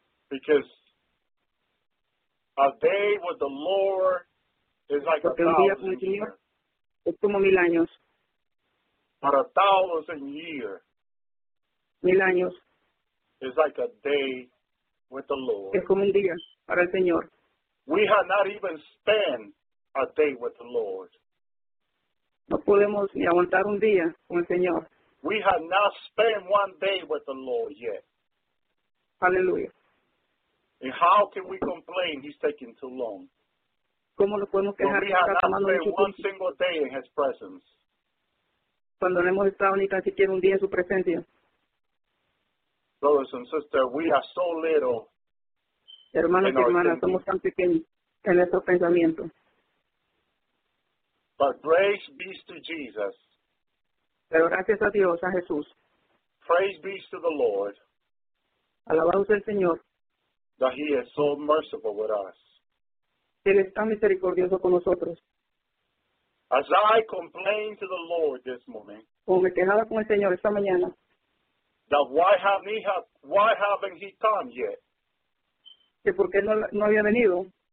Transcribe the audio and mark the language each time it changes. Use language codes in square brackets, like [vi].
[en] Because a day with the Lord is like [es] porque [en] a thousand [es] días con el Señor es como mil años. [en] But a thousand years. [es] Mil años. [en] Is like a day with the Lord. [es] Es como un día para el Señor. [en] We have not even spent a day with the Lord. [es] No podemos ni aguantar un día con el Señor. [en] We have not spent one day with the Lord yet. [es] Aleluya. [en] And how can we complain he's taking too long? [es] ¿Cómo lo podemos quejar? [en] When we have [es] está [en] not spent one single day in his presence. [es] Cuando no hemos estado ni tan siquiera un día en su presencia. [en] Brothers and sisters, we are so little. [es] Hermanos y hermanas, somos tan pequeños en nuestro pensamiento. [en] But praise be to Jesus. [es] Pero gracias a Dios, a Jesús. [en] Praise be to the Lord. [es] Alabado sea el Señor. [en] That he is so merciful with us. [es] Él está misericordioso con nosotros. [en] As I complained to the Lord this morning. [es] Como me quejaba con el Señor esta mañana. [en] That why haven't he come yet? [es] Que por qué no había venido.